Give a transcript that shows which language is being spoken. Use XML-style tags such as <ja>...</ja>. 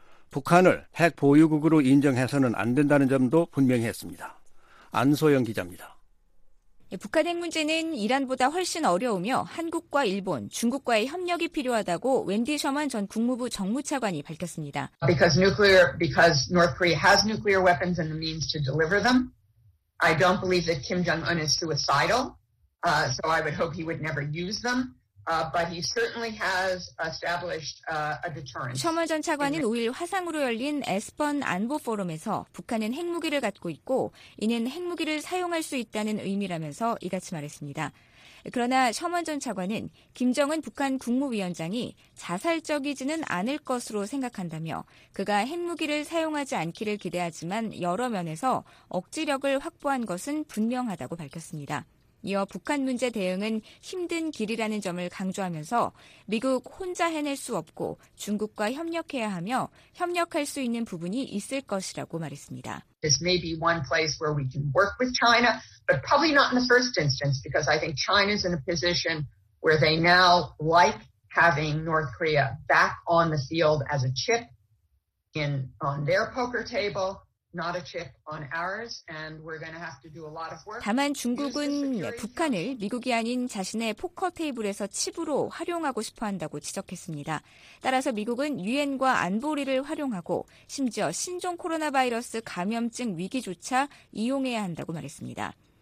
<ko>북한을 핵 보유국으로 인정해서는 안 된다는 점도 분명히 했습니다. 안소영 기자입니다. 북한 핵 문제는 이란보다 훨씬 어려우며 한국과 일본, 중국과의 협력이 필요하다고 웬디 셔먼 전 국무부 정무차관이 밝혔습니다.</ko> <en>Because North Korea has nuclear weapons and the means to deliver them. I don't believe that Kim Jong-un is suicidal. So I would hope he would never use them. But he certainly has established a deterrent.</en> <ko>셔먼 전 차관은 5일 화상으로 열린 에스번 안보 포럼에서 북한은 핵무기를 갖고 있고 이는 핵무기를 사용할 수 있다는 의미라면서 이같이 말했습니다. 그러나 셔먼 전 차관은 김정은 북한 국무위원장이 자살적이지는 않을 것으로 생각한다며 그가 핵무기를 사용하지 않기를 기대하지만 여러 면에서 억지력을 확보한 것은 분명하다고 밝혔습니다. 이어 북한 문제 대응은 힘든 길이라는 점을 강조하면서 미국 혼자 해낼 수 없고 중국과 협력해야 하며 협력할 수 있는 부분이 있을 것이라고 말했습니다.</ko> <en>This may be one place where we can work with China, but probably not in the first instance because I think China's in a position where they now like having North Korea back on the field as a chip in on their poker table. Not a chip on ours, and we're going to have to do a lot of work.</en> <ko>다만 중국은 북한을 미국이 아닌 자신의 포커 테이블에서 칩으로 활용하고 싶어한다고 지적했습니다. 따라서 미국은 유엔과 안보리를 활용하고 심지어 신종 코로나 바이러스 감염증 위기조차 이용해야 한다고 말했습니다.</ko>